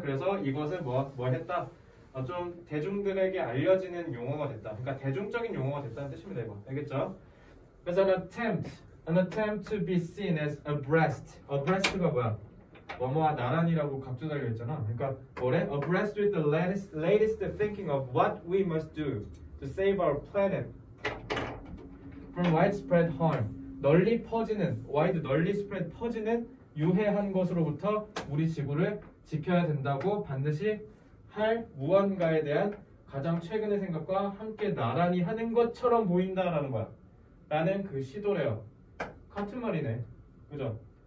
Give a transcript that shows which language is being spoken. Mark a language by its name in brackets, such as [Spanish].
[Korean] 그래서 이것을 뭐 했다? 좀 대중들에게 알려지는 용어가 됐다. 그러니까 대중적인 용어가 됐다는 뜻입니다. 이거. 알겠죠? 그래서 [English] an attempt to be seen as abreast. [Korean] abreast가 뭐야? 뭐뭐와 나란히라고 갑조달려 있잖아. 그러니까 뭐래? [English] Abreast with the latest thinking of what we must do to save our planet from widespread harm. [Korean] 널리 퍼지는 wide 널리 spread 퍼지는 유해한 것으로부터 우리 지구를 지켜야 된다고 반드시 할 무언가에 대한 가장 최근의 생각과 함께 나란히 하는 것처럼 보인다라는 거야. 라는 그 시도래요. 같은 말이네. 그죠?